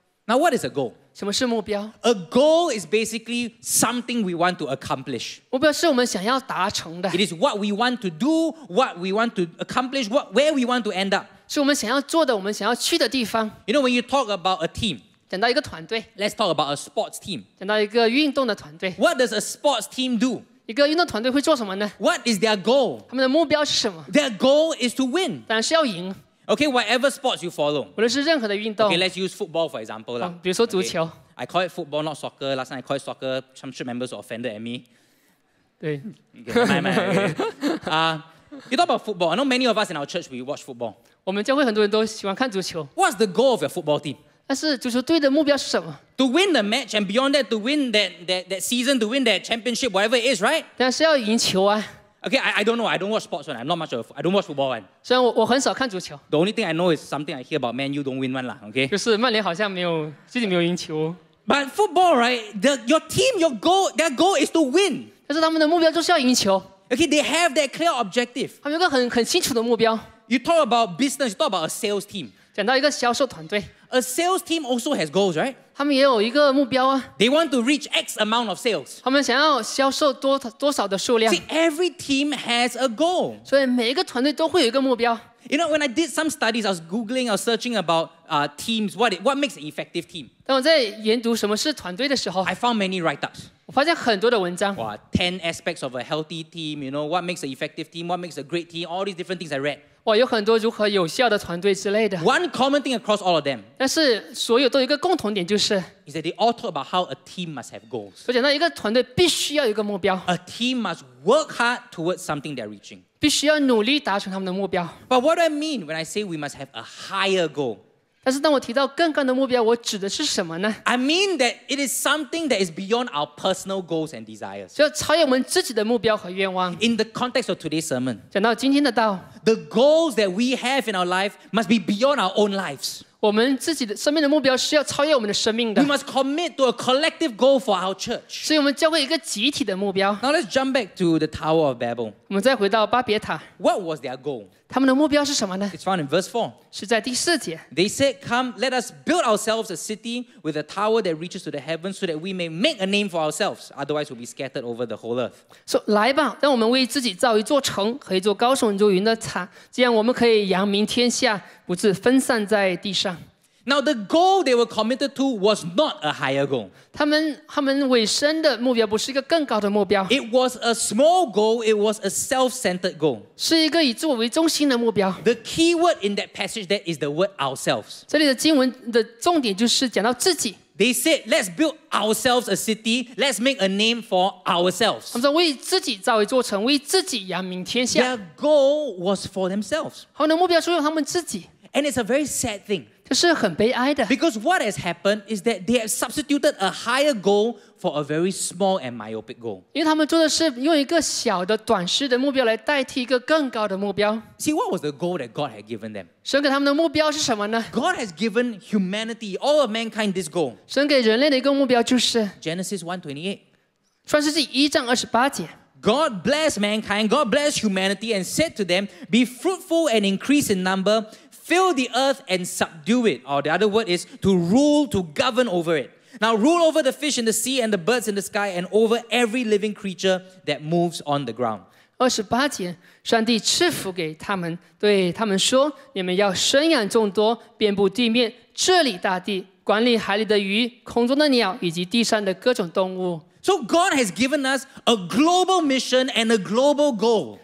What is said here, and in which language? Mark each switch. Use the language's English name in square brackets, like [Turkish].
[English] Now, what is a goal? [Chinese] 什么是目标？ [English] A goal is basically something we want to accomplish. [Chinese] 目标是我们想要达成的。 [English] It is what we want to do, what we want to accomplish, where we want to end up. [Chinese] 是我们想要做的，我们想要去的地方。 [English] You know, when you talk about a team, [Chinese] 讲到一个团队。 [English] Let's talk about a sports team. [Chinese] 讲到一个运动的团队。 [English] What does a sports team do? [Chinese] 一个运动团队会做什么呢？ [English] What is their goal? [Chinese] 他们的目标是什么？ [English] Their goal is to win. [Chinese] 当然是要赢。 [English] Okay, whatever sports you follow. [Chinese] 无论是任何的运动。 [English] Okay, let's use football for example. [Chinese] 比如说足球。 [English] Okay, I call it football, not soccer. Last time I call it soccer, some church members were offended at me. [Chinese] 对。 [English] Okay, my, my, okay. You talk about football. I know many of us in our church, we watch football. [Chinese] 我们教会很多人都喜欢看足球。 [English] What's the goal of your football team? [Chinese] 但是足球队的目标是什么？ [English] To win the match and beyond that, to win that season, to win that championship, whatever it is, right? [Chinese] 但是要赢球啊。 [English] Okay, I don't know. I don't watch sports one. I'm not much of I don't watch football one. [Chinese] 虽然我很少看足球。 [English] The only thing I know is something I hear about Man U don't win one lah. Okay. [Chinese] 就是曼联好像没有自己没有赢球。 [English] But football, right? Your team, your goal, their goal is to win. [Chinese] 但是他们的目标就是要赢球。 [English] Okay, they have that clear objective. [Chinese] 他们有个很清楚的目标。 [English] You talk about business, you talk about a sales team. [Chinese] 讲到一个销售团队。 [English] A sales team also has goals, right? [Chinese] 他们也有一个目标啊。 [English] They want to reach X amount of sales. [Chinese] 他们想要销售 多少的数量。 [English] See, every team has a goal. [Chinese] 所以每一个团队都会有一个目标。 [English] You know, when I did some studies, I was Googling, I was searching about teams, what makes an effective team. [Chinese] 当我在研读什么是团队的时候， [English] I found many write-ups. [Chinese] 我发现很多的文章。 [English] 哇 ,10 aspects of a healthy team, you know, what makes an effective team, what makes a great team, all these different things I read. [Chinese] 哇有很多如何有效的团队之类的。 [English] One common thing across all of them. [Chinese] 但是所有都有一个共同点就是。 [English] Is that they all talk about how a team must have goals. [Chinese] 我讲到一个团队必须要有一个目标。 [English] A team must work hard towards something they're reaching. [Chinese] 必须要努力达成他们的目标。 [English] But what do I mean when I say we must have a higher goal? [Chinese] 但是当我提到更高的目标，我指的是什么呢？ [English] I mean that it is something that is beyond our personal goals and desires. [Chinese] 就超越我们自己的目标和愿望。 [English] In the context of today's sermon, [Chinese] 讲到今天的道。 [English] The goals that we have in our life must be beyond our own lives. [Chinese] 我们自己的生命的目标是要超越我们的生命的。 [English] We must commit to a collective goal for our church. [Chinese] 所以我们教会一个集体的目标。 [English] Now let's jump back to the Tower of Babel. [Chinese] 我们再回到巴别塔。 [English] What was their goal? [Chinese] 他们的目标是什么呢？ [English] It's found in verse 4. [Chinese] 是在第四节。 [English] They said, come, let us build ourselves a city with a tower that reaches to the heavens so that we may make a name for ourselves. Otherwise, we'll be scattered over the whole earth. [Chinese] So, 来吧，让我们为自己造一座城和一座高耸入云的塔，这样我们可以扬名天下，不致分散在地上。 [English] Now, the goal they were committed to was not a higher goal. [Chinese] 他们委身的目标不是一个更高的目标。 [English] It was a small goal, it was a self-centered goal. [Chinese] 是一个以自我为中心的目标。 [English] The key word in that passage that is the word ourselves. [Chinese] 这里的经文的重点就是讲到自己。 [English] They said, let's build ourselves a city, let's make a name for ourselves. [Chinese] 他们说为自己造一座城，为自己扬名天下。 [English] Their goal was for themselves. [Chinese] 他们的目标是为他们自己。 [English] And it's a very sad thing. [Chinese] 这是很悲哀的。 [English] Because what has happened is that they have substituted a higher goal for a very small and myopic goal. [Chinese] 因为他们做的是用一个小的、短视的目标来代替一个更高的目标。 [English] See, what was the goal that God had given them? [Chinese] 神给他们的目标是什么呢？ [English] God has given humanity, all of mankind, this goal. [Chinese] 神给人类的一个目标就是 [English] Genesis 1:28. [Chinese] 创世纪一章二十八节。 [English] God blessed mankind, God blessed humanity and said to them, be fruitful and increase in number, fill the earth and subdue it. Or the other word is to rule, to govern over it. Now rule over the fish in the sea and the birds in the sky and over every living creature that moves on the ground. [Chinese] 28节，上帝赐福给他们，对他们说，你们要生养众多，遍布地面，治理大地，管理海里的鱼，空中的鸟，以及地上的各种动物。 [English] So God has given us a global mission and a global goal.